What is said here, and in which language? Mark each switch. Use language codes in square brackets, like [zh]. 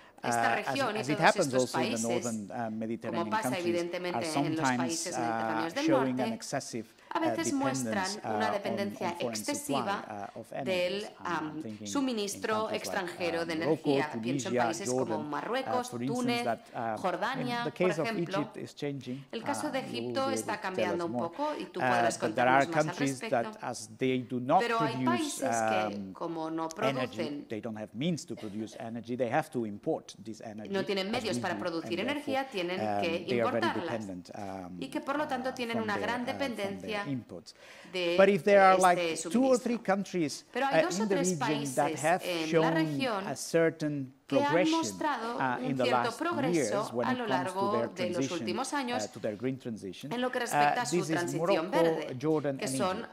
[es] esta región y todos estos países, como pasa evidentemente en los países mediterráneos del norte, a veces muestran una dependencia excesiva del suministro extranjero de energía. Pienso en países como Marruecos, Túnez, Jordania, por ejemplo. El caso de Egipto está cambiando un poco y tú podrás contarnos más al respecto. Pero hay países que, como no producen, [en] they don't have means to produce energy, they have to import this energy. [es] No tienen medios para producir energía, tienen que importarlas. Y que, por lo tanto, tienen una gran dependencia [en] inputs. But if there are like two or three countries in the region that have shown a certain progression in the last years when it comes to their transition, to their green transition, this is Morocco, Jordan, and Egypt.